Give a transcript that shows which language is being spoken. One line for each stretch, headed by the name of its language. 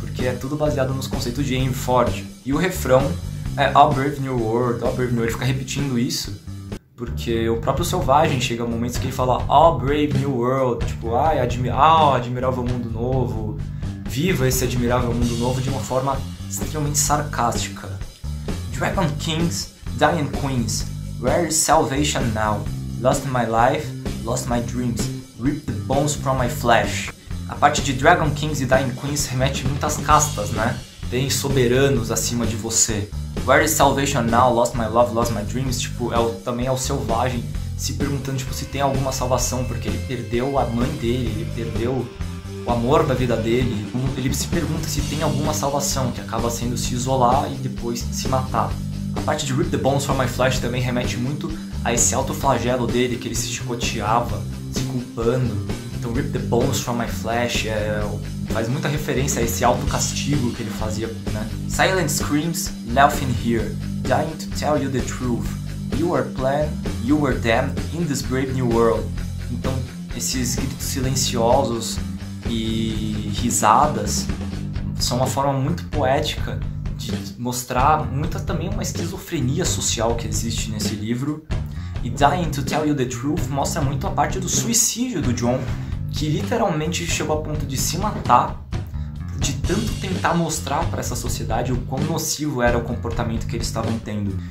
Portuguese: Porque é tudo baseado nos conceitos de Henry Ford. E o refrão é
English: All Brave New World,
Portuguese: All Brave New World. Ele fica repetindo isso porque o próprio selvagem chega a momentos que ele fala All Brave New World, tipo, ai, admirável mundo novo, viva esse admirável mundo novo, de uma forma extremamente sarcástica.
English: Dragon Kings, Dying Queens, where is salvation now? Lost my life, lost my dreams, ripped the bones from my flesh.
Portuguese: A parte de
English: Dragon Kings
Portuguese: e
English: Dying Queens
Portuguese: remete muito às castas, né? Tem soberanos acima de você.
English: Where is salvation now? Lost my love, lost my dreams.
Portuguese: Tipo, também é o selvagem se perguntando tipo, se tem alguma salvação, porque ele perdeu a mãe dele, ele perdeu o amor da vida dele. Ele se pergunta se tem alguma salvação, que acaba sendo se isolar e depois se matar. A parte de
English: Rip the Bones from My Flesh
Portuguese: também remete muito a esse autoflagelo dele, que ele se chicoteava, se culpando. Então
English: Rip the Bones from My Flesh
Portuguese: faz muita referência a esse autocastigo que ele fazia, né?
English: Silent screams, nothing here, dying to tell you the truth. You were planned, you were damned in this brave new world.
Portuguese: Então, esses gritos silenciosos e risadas são uma forma muito poética de mostrar muita também uma esquizofrenia social que existe nesse livro. E
English: Dying to Tell You the Truth
Portuguese: mostra muito a parte do suicídio do John, que literalmente chegou a ponto de se matar de tanto tentar mostrar para essa sociedade o quão nocivo era o comportamento que eles estavam tendo.